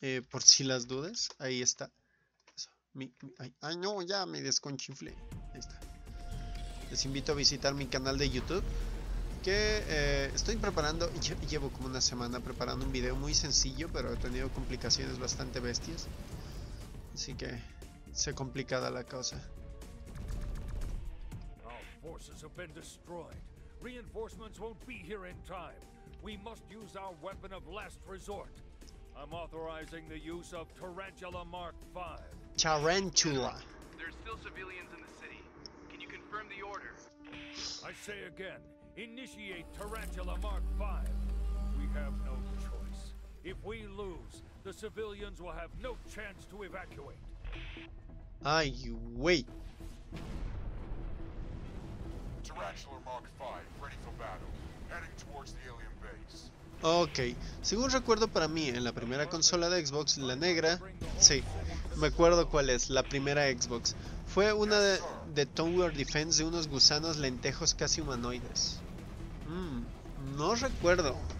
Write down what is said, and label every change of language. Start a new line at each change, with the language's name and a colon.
Spanish: Por si las dudas, ahí está. Eso, ya me desconchinflé. Ahí está. Les invito a visitar mi canal de YouTube. Que estoy preparando, llevo como una semana preparando un video muy sencillo, pero he tenido complicaciones bastante bestias. Así que se complicada la cosa.
English: Our forces have been destroyed. Reinforcements won't be here in time. We must use our weapon of last resort. I'm authorizing the use of Tarantula Mark V. Tarantula. There are still civilians in the city. Can you confirm the order? I say again, initiate Tarantula Mark V. We have no choice. If we lose, the civilians will have no chance to evacuate. Ay, wait. Tarantula Mark V, ready for battle. Heading towards the alien base.
Spanish: Ok, según recuerdo, para mí, en la primera consola de Xbox, la negra, sí, me acuerdo cuál es, la primera Xbox, fue una de Tower Defense de unos gusanos lentejos casi humanoides. No recuerdo.